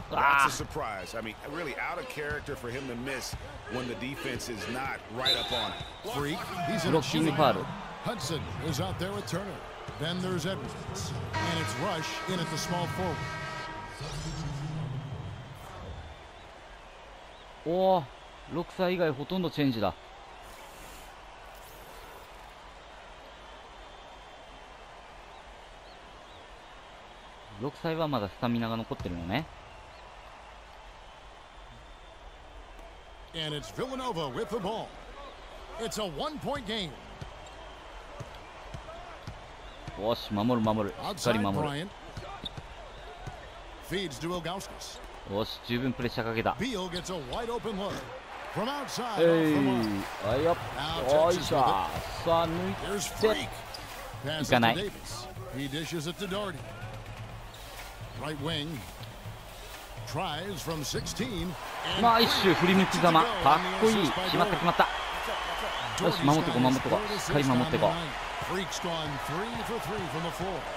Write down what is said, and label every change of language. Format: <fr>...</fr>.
<en>That's a surprise. I mean, really out of character for him to miss when the defense is not right up on it. Freak, he's in a shooting foul. Hudson is out there with Turner. Then there's Edwards. And it's Rush in at the small forward.</en> <ja>Oh, 6歳以外ほとんどチェンジだ。 6歳はまだスタミナが残ってるのね。</ja> <en>And it's Villanova with the ball. It's a one-point game.</en> <ja>よし、守る守る、しっかり守る。</ja> <en>Feeds to Ilgauskas.</en> <ja>よし、十分プレッシャーかけた。</ja> <en>Beal gets a wide open look from outside.</en> <ja>Hey, あいよ。おいしゃ、さあ抜いて。行かない。</ja> <en>He dishes it to Doherty. Right wing tries from 16.</en> <ja>まあ一周振り向きざま、かっこいい。決まった決まった。よし守ってこ守ってこ、しっかり守ってこ。</ja> <en>Freak's gone three for three from the floor.</en>